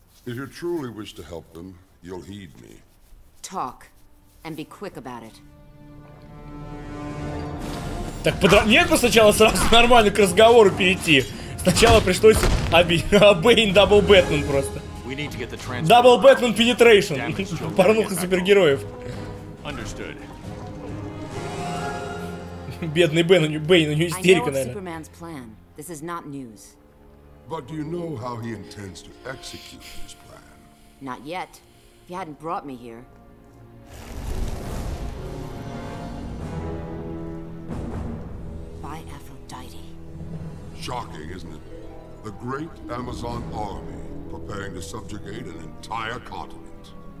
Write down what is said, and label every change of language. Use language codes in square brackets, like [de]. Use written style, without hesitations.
[en] If you truly wish to help them, you'll heed me. Talk, and be quick about it. [ru] Так, нет, сначала сразу нормально к разговору перейти. Сначала пришлось Бэйн дабл Бэтмен просто. Дабл Бэтмен Пенетрейшн. Порнуха супергероев. Бедный Бэйн, у него истерика, наверное. [en] But do you know how he intends to execute his plan? Not yet. If you hadn't brought me here. By Aphrodite. Shocking, isn't it? The great Amazon army preparing to subjugate an entire continent.